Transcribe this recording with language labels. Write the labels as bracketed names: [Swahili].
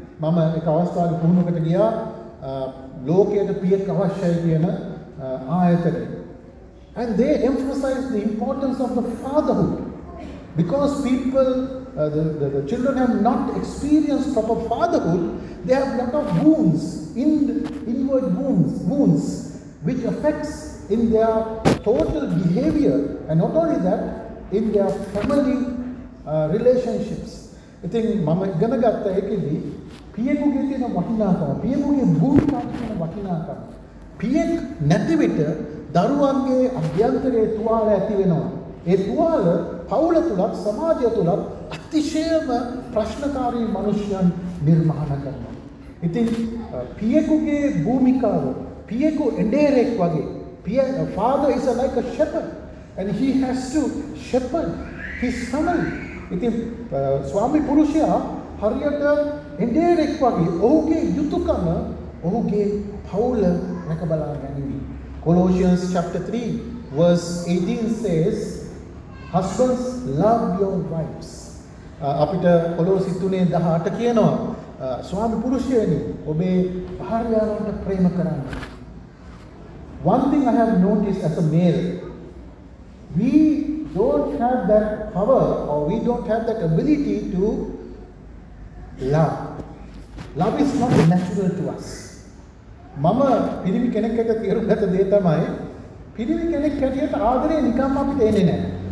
[Sinhala] මම එක අවස්ථාවක පුහුණුවකට ගියා ලෝකයට පියෙක් අවශ්‍යයි කියන ආයතනයේ. [English] And they emphasize the importance of the fatherhood. Because people, the children have not experienced proper fatherhood, they have lot of wounds, inward wounds, which affects in their total behavior, and not only that, in their family relationships. [Sinhala] ඉතින් මම ඉගෙන ගත්ත එකේදී පියෙකුගේ තියෙන වටිනාකම, පියෙකුගේ භූමිකාව තියෙන වටිනාකම, පියෙක් නැති විට දරුවන්ගේ අභ්‍යන්තරයේ තුවාල ඇති වෙනවා. ඒ තුවාල පවුල තුලත් සමාජය තුලත් අතිශයම ප්‍රශ්නකාරී මිනිසුන් නිර්මාණ කරනවා. ඉතින් පියෙකුගේ භූමිකාව පියෙකු එඬේරෙක් වගේ පිය [English] father is like a shepherd and he has to shepherd his family [Sinhala] ඉතින් ස්වාමි පුරුෂයා හරියට එඬේරෙක් වගේ ඔහුගේ යුතුයකම ඔහුගේ පවුල රැකබලා ගැනීම [English] Colossians chapter 3 verse 18 says husbands love your wives [Sinhala] අපිට කොලොසි 3:18 කියනවා ස්වාමි පුරුෂයනි ඔබේ භාර්යාවන්ට ප්‍රේම කරන්න. [English] One thing I have noticed as a male, we don't have that power or we don't have that ability to love. Love is not natural to us. [Sinhala] මම පිරිමි කෙනෙක් එක්ක තේරුම් ගත්ත දේ තමයි පිරිමි කෙනෙක් හැටියට ආදරේ නිකම්ම අපිට එන්නේ නැහැ.